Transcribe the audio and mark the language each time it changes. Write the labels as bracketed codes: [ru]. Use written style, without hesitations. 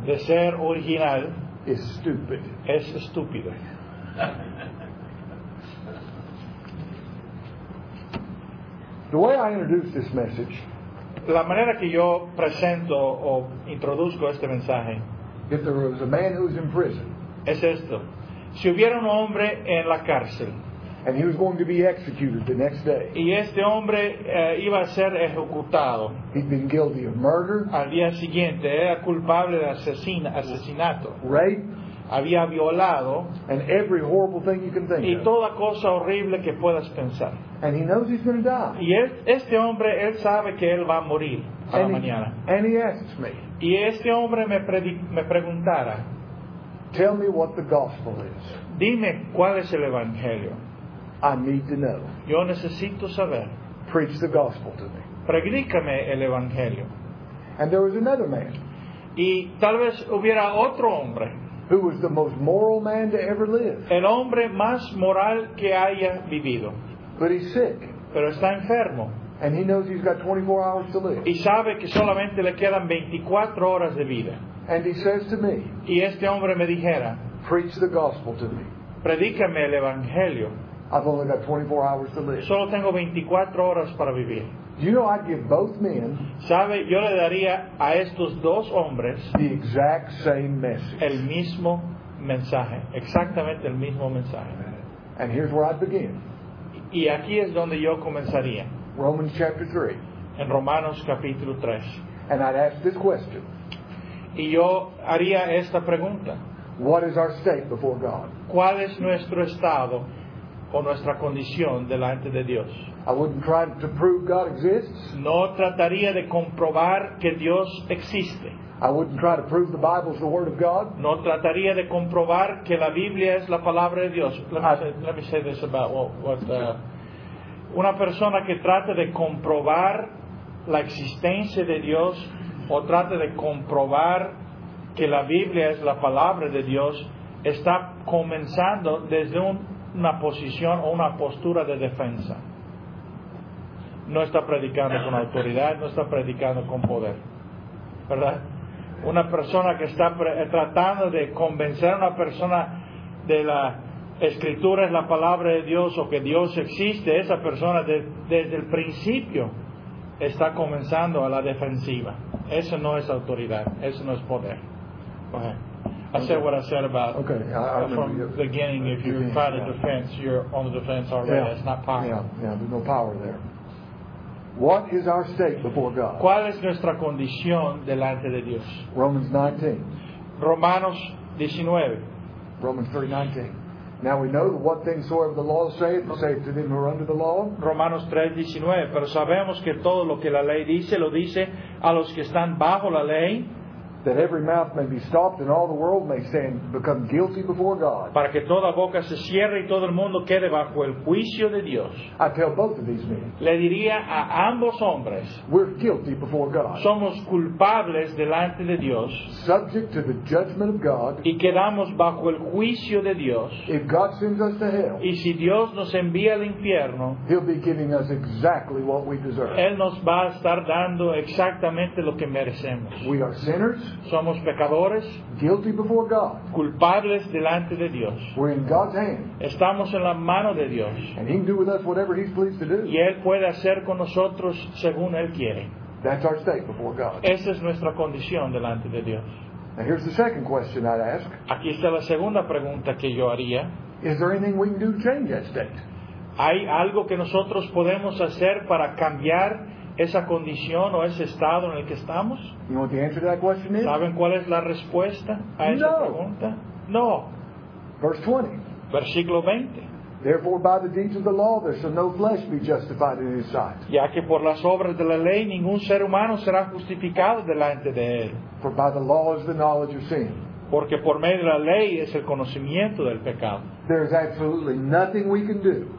[es] De ser original. [en] Is stupid. [es] Es estúpido. [en] The way I introduce this message. [es] La manera que yo presento o introduzco este mensaje. [en] If there was a man who was in prison. [es] Es esto. Si hubiera un hombre en la cárcel. [en] And he was going to be executed the next day. [es] Y este hombre iba a ser ejecutado. [en] He'd been guilty of murder. [es] Al día siguiente era culpable de asesinato. [en] Rape. [es] Había violado. [en] And every horrible thing you can think of. [es] Y toda cosa horrible que puedas pensar. [en] And he knows he's going to die. [es] Y este hombre, él sabe que él va a morir a la mañana. [en] And he asks me. [es] Y este hombre me preguntara. [en] Tell me what the gospel is. [es] Dime cuál es el evangelio. [en] I need to know. [es] Yo necesito saber. [en] Preach the gospel to me. [es] Predícame el evangelio. [en] And there was another man. [es] Y tal vez hubiera otro hombre. [en] Who was the most moral man to ever live? [es] El hombre más moral que haya vivido. [en] But he's sick. [es] Pero está enfermo. [en] And he knows he's got 24 hours to live. [es] Y sabe que solamente le quedan 24 horas de vida. [en] And he says to me. [es] Y este hombre me dijera. [en] Preach the gospel to me. [es] Predícame el evangelio. [en] I've only got 24 hours to live. [es] Solo tengo 24 horas para vivir. [en] You know, I'd give both men. [es] Sabe, yo le daría a estos dos hombres [en] the exact same message. [es] El mismo mensaje, exactamente el mismo mensaje. [en] And here's where I'd begin. [es] Y aquí es donde yo comenzaría. [en] Romans chapter 3. [es] En Romanos capítulo 3. [en] And I'd ask this question. [es] Y yo haría esta pregunta. [en] What is our state before God? [es] ¿Cuál es nuestro estado o nuestra condición delante de Dios? [en] I wouldn't try to prove God exists. [es] No trataría de comprobar que Dios existe. [en] I wouldn't try to prove the Bible is the Word of God. [es] No trataría de comprobar que la Biblia es la palabra de Dios. [en] Let me say this about what [es] una persona que trate de comprobar la existencia de Dios o trate de comprobar que la Biblia es la palabra de Dios está comenzando desde una posición o una postura de defensa. No está predicando con autoridad, no está predicando con poder. ¿Verdad? Una persona que está tratando de convencer a una persona de la Escritura es la palabra de Dios o que Dios existe, esa persona desde el principio está comenzando a la defensiva. Eso no es autoridad, eso no es poder. [en] Okay. I said what I said about from the beginning. If you try to defense, you're on the defense already. Yeah. It's not power. Yeah, there's no power there. What is our state before God? [es] ¿Cuál es nuestra condición delante de Dios? [en] Romans 19. [es] Romanos 19. [en] Romans 3:19. Now we know what things soever the law saith, saith to them who are under the law. [es] Romanos 3:19. Pero sabemos que todo lo que la ley dice lo dice a los que están bajo la ley. [en] That every mouth may be stopped and all the world may stand become guilty before God. [es] Para que toda boca se cierre y todo el mundo quede bajo el juicio de Dios. [en] I tell both of these men. [es] Le diría a ambos hombres. [en] We're guilty before God. [es] Somos culpables delante de Dios. [en] Subject to the judgment of God. [es] Y quedamos bajo el juicio de Dios. [en] If God sends us to hell. [es] Y si Dios nos envía al infierno. [en] He'll be giving us exactly what we deserve. [es] Él nos va a estar dando exactamente lo que merecemos. [en] We are sinners. [es] Somos pecadores. [en] Guilty before God. [es] Culpables delante de Dios. [en] We're in God's hand. [es] Estamos en la mano de Dios. [en] And He can do with us whatever He's pleased to do. [es] Y Él puede hacer con nosotros según Él quiere. [en] That's our state before God. [es] Esa es nuestra condición delante de Dios. [en] Now here's the second question I'd ask. [es] Aquí está la segunda pregunta que yo haría. [en] Is there anything we can do to change that state? [es] ¿Hay algo que nosotros podemos hacer para cambiar esa condición o ese estado en el que estamos? [en] You know what the answer to that question is? [es] ¿Saben cuál es la respuesta a esa pregunta? No. [en] Verse 20. [es] Versículo 20. [en] Therefore, by the deeds of the law, there shall no flesh be justified in His sight. [es] Ya que por las obras de la ley ningún ser humano será justificado delante de él. [en] For by the law is the knowledge of sin. [es] Porque por medio de la ley es el conocimiento del pecado. [en] There is absolutely nothing we can do.